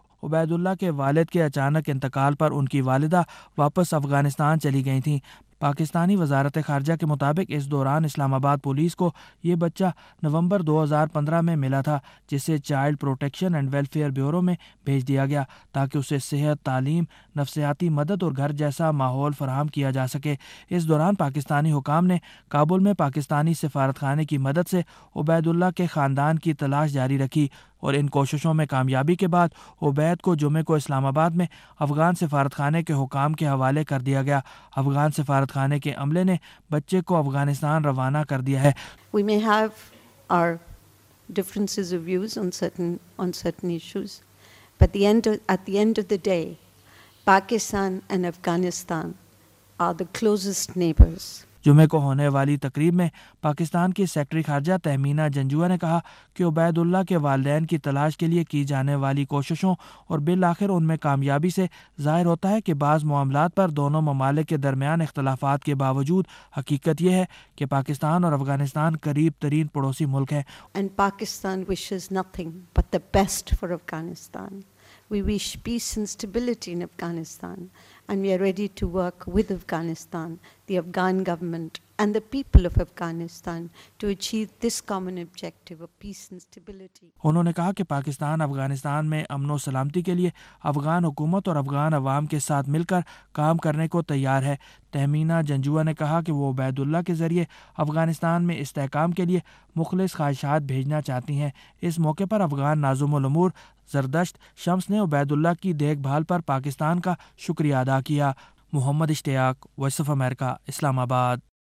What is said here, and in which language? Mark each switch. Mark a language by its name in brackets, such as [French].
[Urdu] عبید اللہ کے والد کے اچانک انتقال پر ان کی والدہ واپس افغانستان چلی گئی تھیں۔ پاکستانی وزارت خارجہ کے مطابق اس دوران اسلام آباد پولیس کو یہ بچہ نومبر 2015 میں ملا تھا، جسے child protection and welfare bureau میں بھیج دیا گیا تاکہ اسے صحت، تعلیم، نفسیاتی مدد اور گھر جیسا ماحول فراہم کیا جا سکے۔ اس دوران پاکستانی حکام نے کابل میں پاکستانی سفارتخانے کی مدد سے عبید اللہ کے خاندان کی تلاش جاری رکھی، اور ان کوششوں میں کامیابی کے بعد عبید کو جمعے کو اسلام آباد میں افغان سفارتخانے کے حکام کے حوالے کر دیا گیا۔ افغان سفارتخانے کے عملے نے بچے کو افغانستان روانہ کر دیا ہے۔ [English] We may have our differences of views on certain issues, but at the end of the day, Pakistan and Afghanistan are the closest neighbors. [Urdu] جمعے کو ہونے والی تقریب میں پاکستان کی سیکرٹری خارجہ تہمینہ جنجوہ نے کہا کہ عبید اللہ کے والدین کی تلاش کے لیے کی جانے والی کوششوں اور بالآخر ان میں کامیابی سے ظاہر ہوتا ہے کہ بعض معاملات پر دونوں ممالک کے درمیان اختلافات کے باوجود حقیقت یہ ہے کہ پاکستان اور افغانستان قریب ترین پڑوسی ملک ہیں۔ [English] And Pakistan wishes nothing but the best for Afghanistan. We wish peace and stability in Afghanistan. And we are ready to work with Afghanistan, the Afghan government, and the people of Afghanistan to achieve this common objective of peace and stability. [Urdu] انہوں نے کہا کہ پاکستان افغانستان میں امن و سلامتی کے لیے افغان حکومت اور افغان عوام کے ساتھ مل کر کام کرنے کو تیار ہے۔ تہمینہ جنجوہ نے کہا کہ وہ عبید اللہ کے ذریعے افغانستان میں استحکام کے لیے مخلص خواہشات بھیجنا چاہتی ہیں۔ اس موقع پر افغان ناظم الامور زردشت شمس نے عبید اللہ کی دیکھ بھال پر پاکستان کا شکریہ ادا کیا۔ محمد اشتیاق، وائس آف امریکہ، اسلام آباد۔